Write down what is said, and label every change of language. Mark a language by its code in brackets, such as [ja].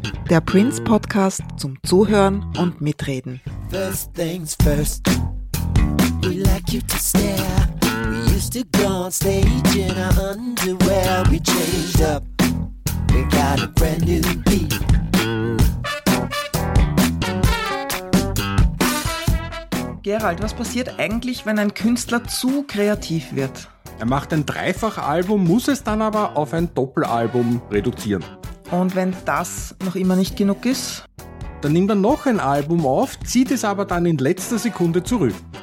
[de] Der Prince-Podcast zum Zuhören und Mitreden. [en] First things first, we like you to stare. We used to go on stage in our underwear. We changed up, we got a brand new beat. [de] Gerald, was passiert eigentlich, wenn ein Künstler zu kreativ wird? Er macht ein Dreifachalbum, muss es dann aber auf ein Doppelalbum reduzieren. Und wenn das noch immer nicht genug ist? Dann nimmt er noch ein Album auf, zieht es aber dann in letzter Sekunde zurück.